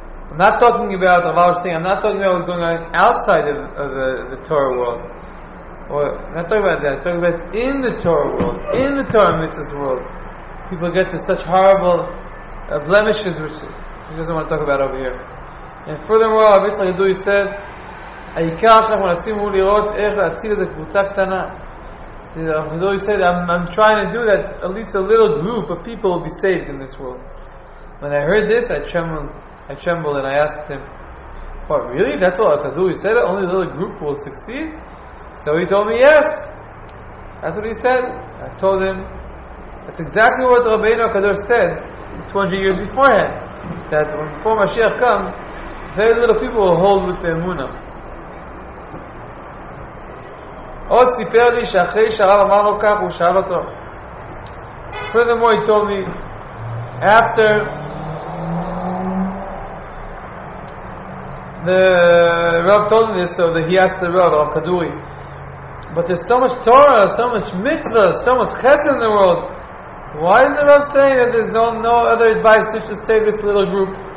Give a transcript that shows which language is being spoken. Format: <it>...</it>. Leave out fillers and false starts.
<en>I'm not talking about what's going on outside of the Torah world. Or I'm not talking about that. I'm talking about in the Torah world, in the Torah mitzvah world. People get to such horrible blemishes which he doesn't want to talk about over here. And furthermore, Rav Yitzchak Kaduri said,</en> <he>העיקר שאנחנו נשים הוא לראות איך להציל איזו קבוצה קטנה.</he> <en>Rav Kaduri said, I'm trying to do that at least a little group of people will be saved in this world. When I heard this, I trembled. I trembled and I asked him, what, really? That's what Rav Kaduri said? Only a little group will succeed? So he told me, yes. That's what he said. I told him, that's exactly what Rabbeinu HaKadosh said 200 years beforehand. That before Mashiach comes, very little people will hold with the emunah.</en> <he>עוד סיפר לי שאחרי שהרב אמר לו כך הוא שאל אותו.</he> <en>Furthermore, he told me, after the Rav told him this, so that he asked the Rav, Rav Kaduri, but there's so much Torah, so much mitzvah, so much chesed in the world, why is the Rav saying that there's no other advice, just to save this little group?</en>